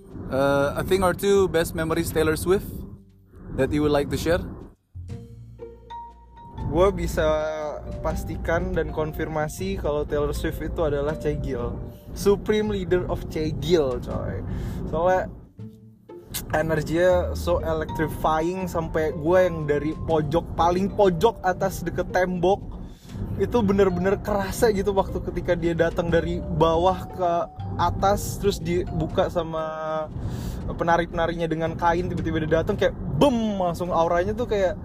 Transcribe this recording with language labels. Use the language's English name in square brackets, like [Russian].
[English] A thing or two best memories Taylor Swift that you would like to share? [Indonesian] Gue bisa pastikan dan konfirmasi kalau Taylor Swift itu adalah Cegil. [English] Supreme leader of Cegil, coy. [Indonesian] Soalnya energinya [English] so electrifying [Indonesian] sampai gue yang dari pojok, paling pojok atas deket tembok itu benar-benar kerasa gitu waktu ketika dia datang dari bawah ke atas terus dibuka sama penari-penarinya dengan kain, tiba-tiba dia datang kayak boom, langsung auranya tuh kayak